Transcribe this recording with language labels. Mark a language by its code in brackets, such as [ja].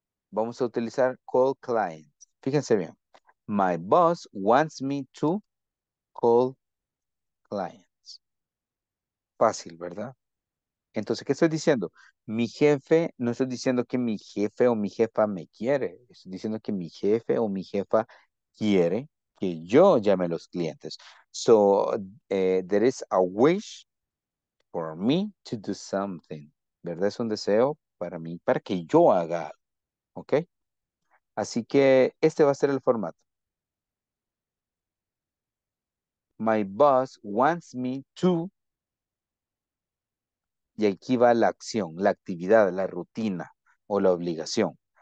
[es] Vamos a utilizar [en] call clients. [es] Fíjense bien. [en] My boss wants me to call clients. [es] Fácil, ¿verdad? Entonces, ¿qué estoy diciendo? Mi jefe, no estoy diciendo que mi jefe o mi jefa me quiere. Estoy diciendo que mi jefe o mi jefa quiere que yo llame a los clientes. [en] So, there is a wish for me to do something. [es] ¿Verdad? Es un deseo para mí, para que yo haga algo. ¿Ok? Así que este va a ser el formato. [en] My boss wants me to. [es] Y aquí va la acción, la actividad, la rutina o la obligación.